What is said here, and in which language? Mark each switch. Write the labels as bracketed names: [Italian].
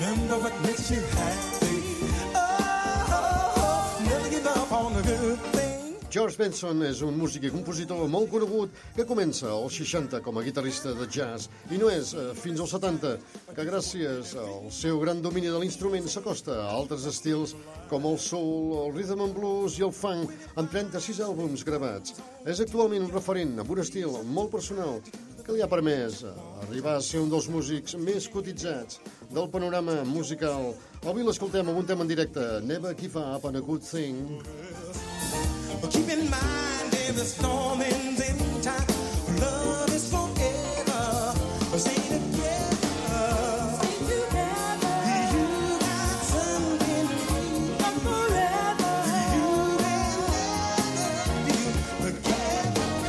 [English] know what makes you happy. Oh, oh, oh, never give up on a good thing. [Catalan] George Benson és un músic i compositor molt conegut que comença als 60 com a guitarrista de jazz i no és fins als 70 que gràcies al seu gran domini de l'instrument s'acosta a altres estils com el soul, el rhythm and blues i el funk amb 36 àlbums gravats. És actualment un referent amb un estil molt personal que li ha permès arribar a ser un dels músics més cotitzats del panorama musical. Avui l'escoltem amb un tema en directe, Never Give Up on a Good Thing. [English] Well, keep in mind, if the storm ends in time, love is forever. Well, stay together. Stay together. You got something to be forever. You can never be together.